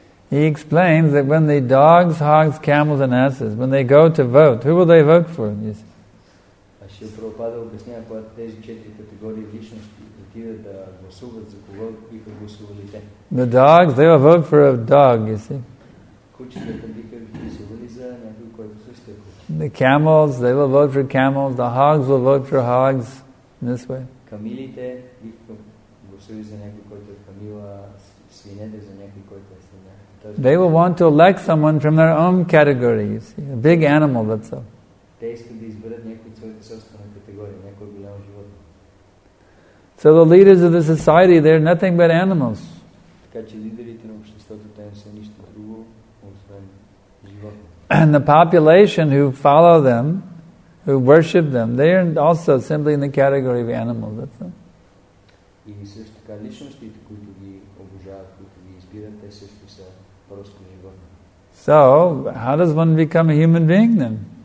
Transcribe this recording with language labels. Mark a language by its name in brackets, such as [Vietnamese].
[English] He explains that when the dogs, hogs, camels and asses, when they go to vote, who will they vote for, you see? [Bulgarian] Шрила Прабхупада обяснява, когато тези четири категории личности отиват да гласуват, за кого биха гласували те. [English] The dogs, they will vote for a dog, you see. [Bulgarian] Кучетата биха гласували за някой, който също е куче. [English] The camels, they will vote for camels. The hogs will vote for hogs. In this way. [Bulgarian] Камилите биха гласували за някой, който е камила, свинете за някой, който е свиня. [English] They will want to elect someone from their own category, you see. A big animal, that's all. [Bulgarian] Те искат да изберат някой от своите собствена категория, някой голям живот. [English] So the leaders of the society, they're nothing but animals. [Bulgarian] Така че лидерите на обществото, те не са нищо друго, освен животни. [English] And the population who follow them, who worship them, they are also simply in the category of animals. [Bulgarian] И също така личностите, които ги обожават, които ги избират, те също са просто животни. [English] So, how does one become a human being then?